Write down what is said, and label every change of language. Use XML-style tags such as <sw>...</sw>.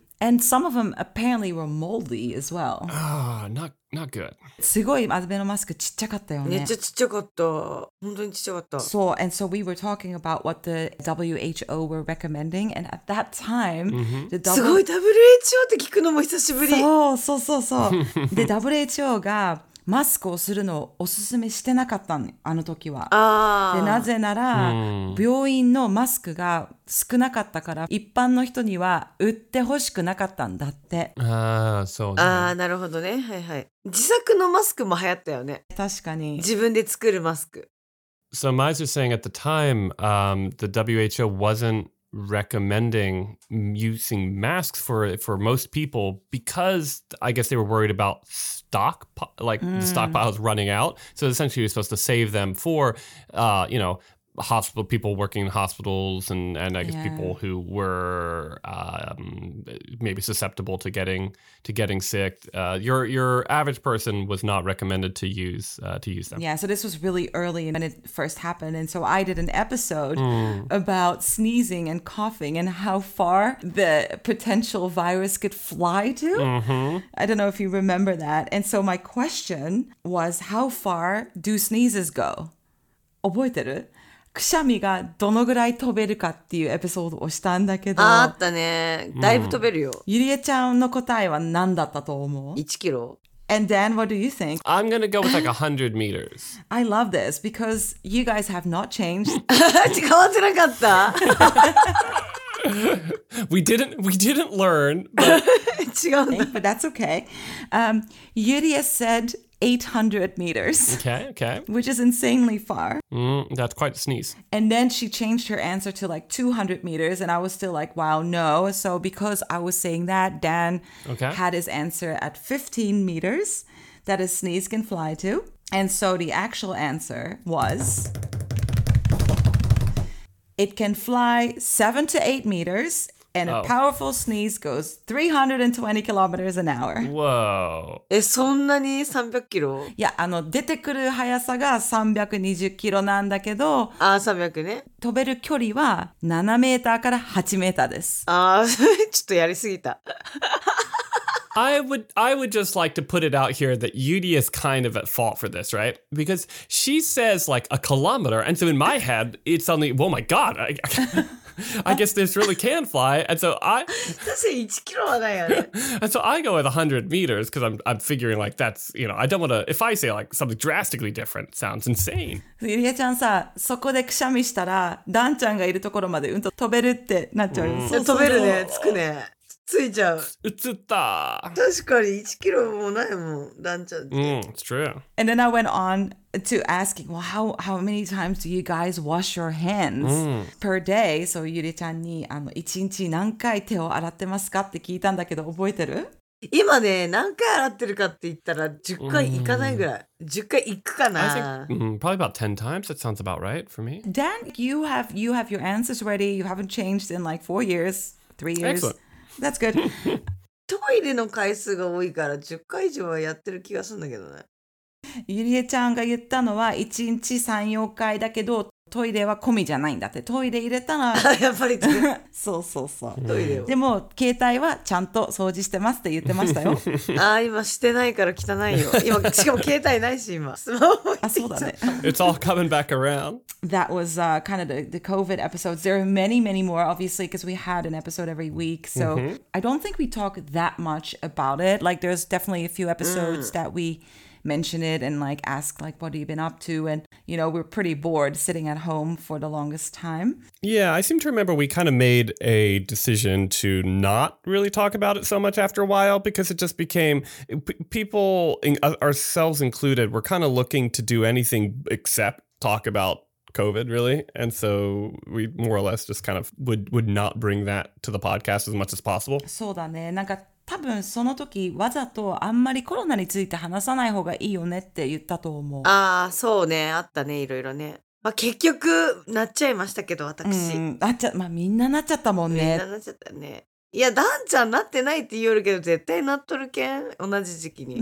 <en>And some of them apparently were moldy as well. Not good.</en> <ja>すごいアベノマスクちっちゃかったよね。めっちゃちっちゃかった。本当にちっちゃかった。</ja> <en>So, and so we were talking about what the WHO were recommending, and at that time,</en> <ja>すごい WHO って聞くのも久しぶり。そうそうそうそう。で、WHO がマスクをするのをおすすめしてなかったの、あの時は。ああ。で、なぜなら、病院のマスクが少なかったから、一般の人には売ってほしくなかったんだって。ああ、そうね。ああ、なるほどね。はいはい。自作のマスクも流行ったよね。確かに。自分で作るマスク。</ja> <en>So, Mize was saying at the time, the WHO wasn't recommending using masks for most people because I guess they were worried about the stockpiles running out. So essentially, you're supposed to save them for, you know, hospital people working in hospitals and I guess people who were maybe susceptible to getting sick. Your average person was not recommended to use them. Yeah, so this was really early when it first happened, and so I did an episode about sneezing and coughing and how far the potential virus could fly to. Mm-hmm. I don't know if you remember that. And so my question was, how far do sneezes go?</en> <ja>覚えてる? くしゃみがどのぐらい飛べるかっていうエピソードをしたんだけど。あったね。だいぶ飛べるよ。ゆりえちゃんの答えは何だったと思う ?1 キロ。</ja> <en>And Dan, what do you think? I'm gonna go with like 100 meters. I love this because you guys have not changed.</en> <ja>変わってなかった</ja> <en>We didn't learn, but...</en> <ja>違うんだ。</ja> <en>But that's okay. ゆりえ said... 800 meters. Okay. Which is insanely far. That's quite a sneeze. And then she changed her answer to like 200 meters, and I was still like, wow, no. So because I was saying that, Dan had his answer at 15 meters that a sneeze can fly to. And so the actual answer was, it can fly 7 to 8 meters. and a powerful sneeze goes 320 kilometers an hour. Whoa.</en> <ja>え、そんなに300キロ? いや、あの、出てくる速さが320キロなんだけど、あ、300ね。飛べる距離は7メーターから8メーターです。あ、ちょっとやりすぎた。</ja> <en>I would just like to put it out here that Yudi is kind of at fault for this, right? Because she says like a kilometer. And so in my head, it's suddenly, oh my God, I guess this really can fly. And so I go with 100 meters because I'm figuring like that's, you know, I don't want to, if I say like something drastically different, it sounds insane.</en> <ja>Yudi-chan, さ、そこでくしゃみしたら、ダンちゃんがいるところまでうんと飛べるってなっちゃう。 Mm. そうそう飛べるね、つくね。ついちゃう。映った。確かに1キロもないもん、ダンちゃんって。</ja> <en>Mm, it's true. And then I went on to asking, well, how many times do you guys wash your hands per day?</en> <ja>So ゆりちゃんに、あの、1日何回手を洗ってますかって聞いたんだけど、覚えてる？今ね、何回洗ってるかって言ったら10回いかないぐらい。 10回いくかな?</ja> <en>I think, probably about 10 times. That sounds about right for me. Dan, you have your answers ready. You haven't changed in like 4 years, 3 years. Excellent. That's good.</en> <ja>トイレの回数が多いから10回以上はやってる気がするんだけどね。ゆりえちゃんが言ったのは1日 3,4 回だけどトイレは込みじゃないんだって。トイレ入れたらやっぱりそうそうそう。トイレを。でも携帯はちゃんと掃除してますって言ってましたよ。あ、今してないから汚いよ。今しかも携帯ないし今。スマホ置いてきちゃった。あ、そうだね。</ja> <en>It's all coming back around. That was kind of the COVID episodes. There are many, many more, obviously, because we had an episode every week. So I don't think we talk that much about it. Like, there's definitely a few episodes that we... mention it and like ask like what have you been up to and you know we're pretty bored sitting at home for the longest time. Yeah, I seem to remember we kind of made a decision to not really talk about it so much after a while because it just became people ourselves included were kind of looking to do anything except talk about COVID really and so we more or less just kind of would not bring that to the podcast as much as possible.</en> <ja>そうだね。なんか多分その時わざとあんまりコロナについて話さない方がいいよねって言ったと思う。ああ、そうね、あったね、いろいろね。まあ、結局なっちゃいましたけど、私。うん、なっちゃ、まあみんななっちゃったもんね。みんななっちゃったね。いや、ダンちゃんなってないって言うけど、絶対なっとるけん、同じ時期に。</ja>